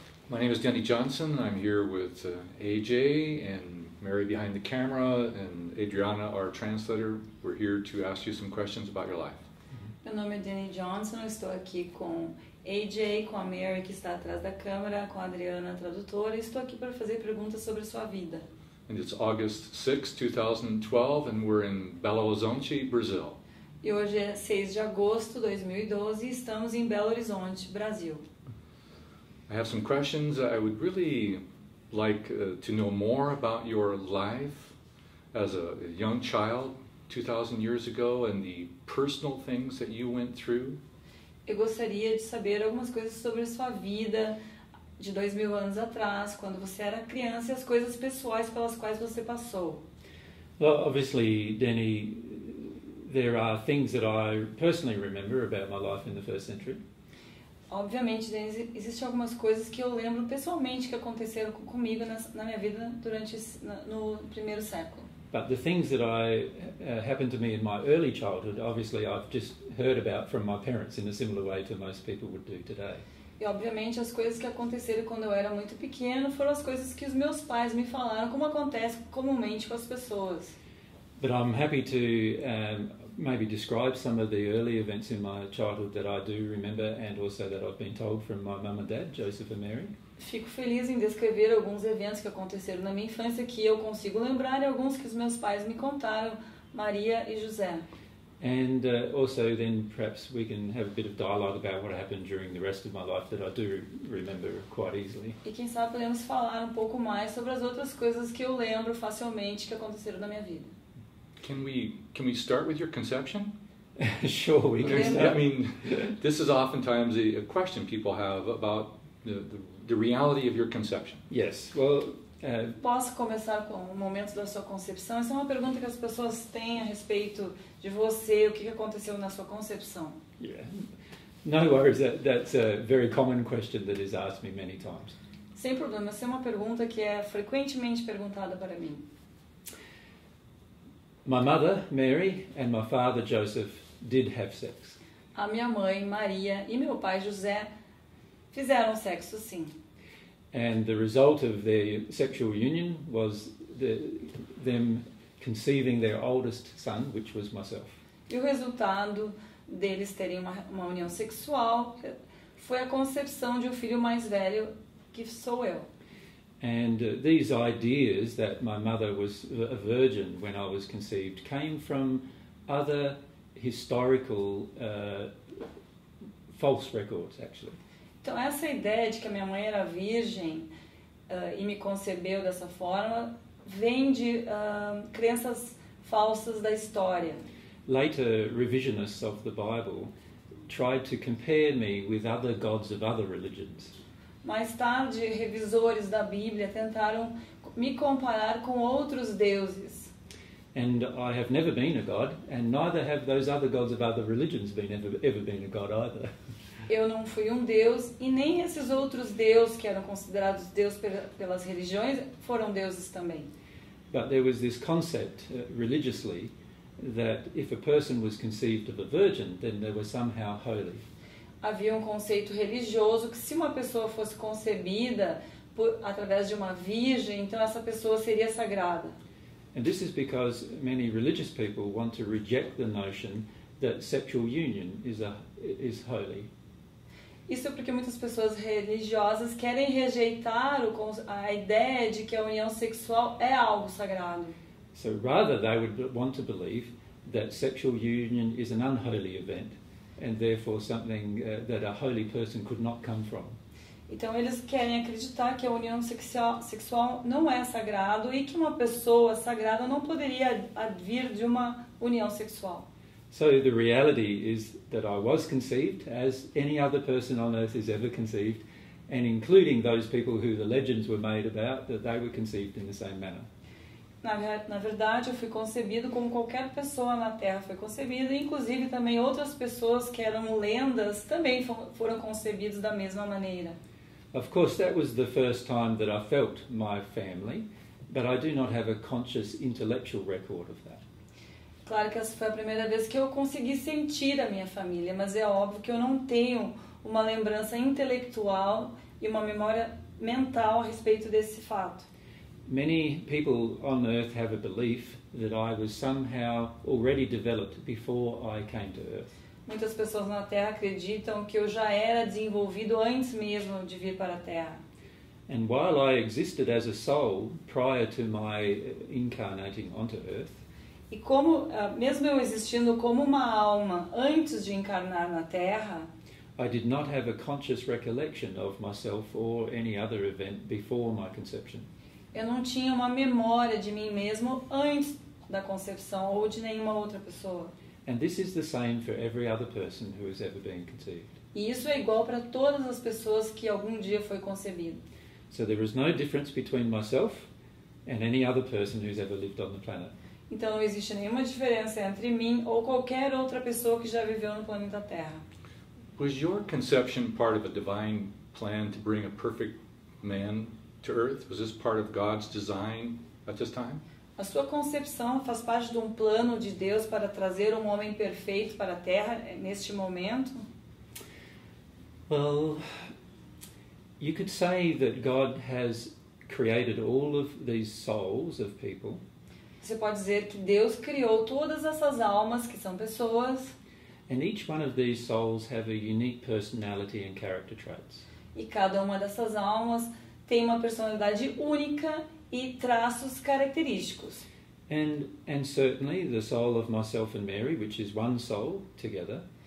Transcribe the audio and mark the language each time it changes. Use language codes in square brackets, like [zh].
[en] My name is Danny Johnson. I'm here with AJ and Mary behind the camera and Adriana, our translator. We're here to ask you some questions about your life. [pt] Meu nome é Danny Johnson, estou aqui com AJ, com a Mary que está atrás da câmera, com a Adriana, a tradutora, e estou aqui para fazer perguntas sobre a sua vida. [en] And it's August 6, 2012, and we're in Belo Horizonte, Brazil. [pt] E hoje é 6 de agosto de 2012 e estamos em Belo Horizonte, Brasil. [en] I have some questions. I would really like to know more about your life as a young child. 2000 years ago and the personal things that you went through. [pt] Eu gostaria de saber algumas coisas sobre a sua vida de 2000 anos atrás, quando você era criança, e as coisas pessoais pelas quais você passou. [en] Well, obviously, Danny, there are things that I personally remember about my life in the first century. [pt] Obviamente, Danny, existem algumas coisas que eu lembro pessoalmente que aconteceram comigo na minha vida durante no primeiro século. [en] But the things that I happened to me in my early childhood, obviously I've just heard about from my parents in a similar way to most people would do today. [pt] E obviamente as coisas que aconteceram quando eu era muito pequeno foram as coisas que os meus pais me falaram, como acontece comumente com as pessoas. [en] But I'm happy to maybe describe some of the early events in my childhood that I do remember and also that I've been told from my mum and dad, Joseph and Mary. [pt] Fico feliz em descrever alguns eventos que aconteceram na minha infância que eu consigo lembrar e alguns que os meus pais me contaram, Maria e José. [en] And also then perhaps we can have a bit of dialogue about what happened during the rest of my life that I do remember quite easily. [pt] E quem sabe podemos falar um pouco mais sobre as outras coisas que eu lembro facilmente que aconteceram na minha vida. [en] Can we start with your conception? Sure, we can. I mean, this is oftentimes a question people have about the reality of your conception. Yes. Well, [pt] posso começar com o momento da sua concepção? Essa é uma pergunta que as pessoas têm a respeito de você, o que aconteceu na sua concepção? [en] Yeah. No worries. That's a very common question that is asked me many times. [pt] Sem problema. Essa é uma pergunta que é frequentemente perguntada para mim. [en] My mother, Mary, and my father, Joseph, did have sex. [pt] A minha mãe, Maria, e meu pai, José, fizeram sexo, sim. [en] And the result of their sexual union was them conceiving their oldest son, which was myself. [pt] E o resultado deles terem uma união sexual foi a concepção de um filho mais velho, que sou eu. [en] And these ideas that my mother was a virgin when I was conceived came from other historical false records, actually. [pt] Então essa ideia de que a minha mãe era virgem e me concebeu dessa forma vem de crenças falsas da história. [en] Later revisionists of the Bible tried to compare me with other gods of other religions. [pt] Mais tarde, revisores da Bíblia tentaram me comparar com outros deuses. [en] And I have never been a god, and neither have those other gods of other religions been ever been a god either. [pt] Eu não fui um deus e nem esses outros deuses que eram considerados deuses pelas religiões foram deuses também. [en] But there was this concept religiously that if a person was conceived of a virgin, then they were somehow holy. [pt] Havia um conceito religioso que se uma pessoa fosse concebida através de uma virgem, então essa pessoa seria sagrada. [en] And this is because many religious people want to reject the notion that sexual union is holy. [pt] Isso é porque muitas pessoas religiosas querem rejeitar a ideia de que a união sexual é algo sagrado. [en] So rather they would want to believe that sexual union is an unholy event. And therefore something that a holy person could not come from. [pt] Então eles querem acreditar que a união sexual não é sagrado e que uma pessoa sagrada não poderia vir de uma união sexual. [en] So the reality is that I was conceived as any other person on earth is ever conceived, and including those people who the legends were made about, that they were conceived in the same manner. [pt] Na verdade, eu fui concebido como qualquer pessoa na Terra foi concebida, inclusive também outras pessoas que eram lendas também foram concebidos da mesma maneira. [en] Of course, that was the first time that I felt my family, but I do not have a conscious intellectual record of that. [pt] Claro que essa foi a primeira vez que eu consegui sentir a minha família, mas é óbvio que eu não tenho uma lembrança intelectual e uma memória mental a respeito desse fato. [en] Many people on Earth have a belief that I was somehow already developed before I came to Earth. [pt] Muitas pessoas na Terra acreditam que eu já era desenvolvido antes mesmo de vir para a Terra. [en] And while I existed as a soul prior to my incarnating onto Earth, [pt] e como, mesmo eu existindo como uma alma antes de encarnar na Terra, [en] I did not have a conscious recollection of myself or any other event before my conception. [pt] Eu não tinha uma memória de mim mesmo antes da concepção ou de nenhuma outra pessoa. [en] And this is the same for every other person who has ever been conceived. [pt] E isso é igual para todas as pessoas que algum dia foi concebido. [en] So there is no difference between myself and any other person who's ever lived on the planet. [pt] Então não existe nenhuma diferença entre mim ou qualquer outra pessoa que já viveu no planeta Terra. [en] Was your conception part of a divine plan to bring a perfect man to Earth? Was this part of God's design at this time? [pt] A sua concepção faz parte de um plano de Deus para trazer um homem perfeito para a Terra neste momento? [en] Well, you could say that God has created all of these souls of people. [pt] Você pode dizer que Deus criou todas essas almas que são pessoas. [en] And each one of these souls have a unique personality and character traits. [pt] E cada uma dessas almas tem uma personalidade única e traços característicos. [en] And certainly the soul of myself and Mary, which is one soul together.